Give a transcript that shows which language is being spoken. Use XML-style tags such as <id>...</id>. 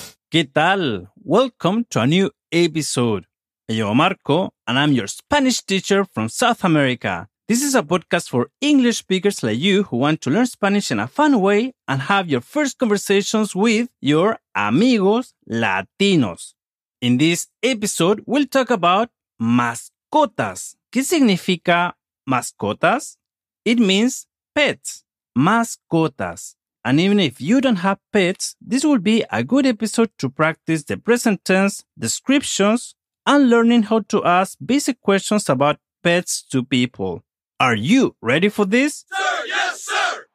<es>¿Qué tal?</es> <en>Welcome to a new episode.</en> <es>Me llamo Marco,</es> <en>and I'm your Spanish teacher from South America. This is a podcast for English speakers like you who want to learn Spanish in a fun way and have your first conversations with your</en> <es>amigos latinos.</es> <en>In this episode, we'll talk about mascotas.</en> <es>¿Qué significa mascotas?</es> <en>It means pets. Mascotas. And even if you don't have pets, this will be a good episode to practice the present tense, descriptions, and learning how to ask basic questions about pets to people. Are you ready for this? Sir, yes, sir!</en>